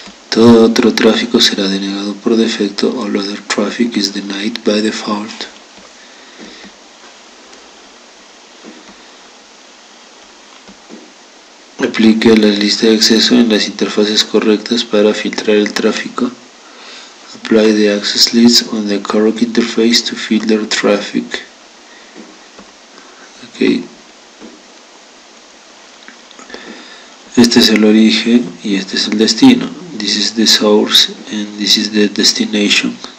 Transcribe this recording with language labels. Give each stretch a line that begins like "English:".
Spanish: Todo otro tráfico será denegado por defecto.
English: All other traffic is denied by default.
Spanish: Aplique la lista de acceso en las interfaces correctas para filtrar el tráfico.
English: Apply the access list on the correct interface to filter traffic. Okay.
Spanish: Este es el origen y este es el destino.
English: This is the source and this is the destination.